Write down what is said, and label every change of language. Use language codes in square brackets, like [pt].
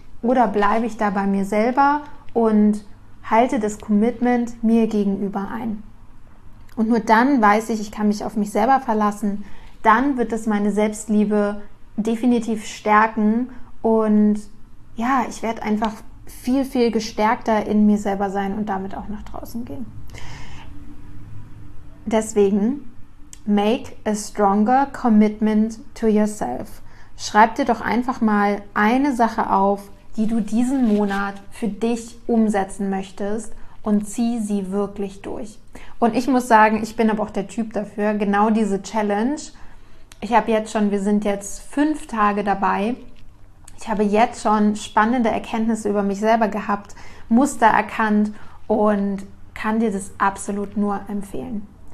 [de] Oder bleibe ich da bei mir selber und halte das Commitment mir gegenüber ein? Und nur dann weiß ich, ich kann mich auf mich selber verlassen. Dann wird es meine Selbstliebe definitiv stärken und ja, ich werde einfach viel, viel gestärkter in mir selber sein und damit auch nach draußen gehen. [en] Deswegen, make a stronger commitment to yourself. [de] Schreib dir doch einfach mal eine Sache auf, die du diesen Monat für dich umsetzen möchtest und zieh sie wirklich durch. Und ich muss sagen, ich bin aber auch der Typ dafür, genau diese Challenge. Ich habe jetzt schon, wir sind jetzt 5 Tage dabei. Ich habe jetzt schon spannende Erkenntnisse über mich selber gehabt, Muster erkannt und kann dir das absolut nur empfehlen.